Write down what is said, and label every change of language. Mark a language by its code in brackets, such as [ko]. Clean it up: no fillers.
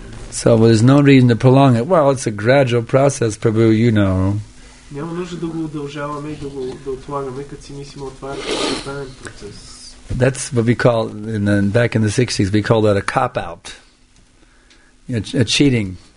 [en] So there's no reason to prolong it. Well, it's a gradual process, Prabhu, you know. [bg] Няма нужда да го удължаваме и да отлагаме, като си мислим, това е постепенен процес. [en] That's what we call, back in the 60s, we call that a cop-out. A cheating.